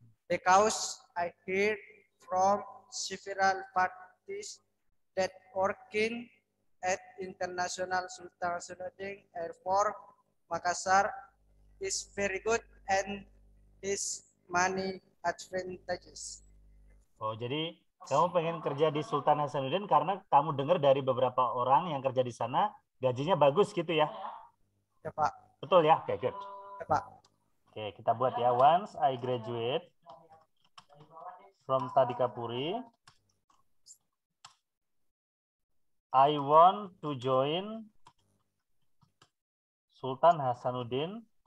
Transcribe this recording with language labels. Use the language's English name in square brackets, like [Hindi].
[English] Because I heard from several parties that working at International Sultan Hasanuddin Airport Makassar is very good and is money advantages. [Indonesian] Oh, jadi kamu pengen kerja di Sultan Hasanuddin karena kamu dengar dari beberapa orang yang kerja di sana gajinya bagus gitu ya? Ya, Pak. Betul ya? Okay, good. Ya, Pak. Okay, kita buat ya. [English] Once I graduate from Tadikapuri, I want to join Sultan Hasanuddin